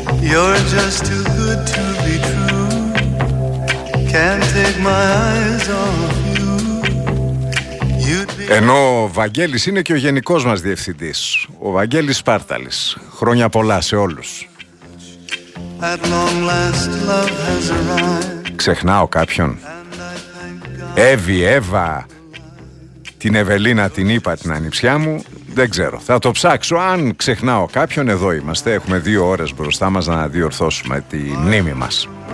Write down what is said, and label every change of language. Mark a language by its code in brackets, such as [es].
[en] You're just too good to be true. Can't take my eyes off you. You'd be... [el] Ενώ ο Βαγγέλης είναι και ο γενικός μας διευθυντής, ο Βαγγέλης Σπάρταλης. Χρόνια πολλά σε όλους. [en] At long last love has arrived. [el] Ξεχνάω κάποιον. Εύη, Εύα, την Ευελίνα την είπα την ανιψιά μου. Δεν ξέρω, θα το ψάξω. Αν ξεχνάω κάποιον, εδώ είμαστε. Έχουμε δύο ώρες μπροστά μας να διορθώσουμε τη μνήμη μας.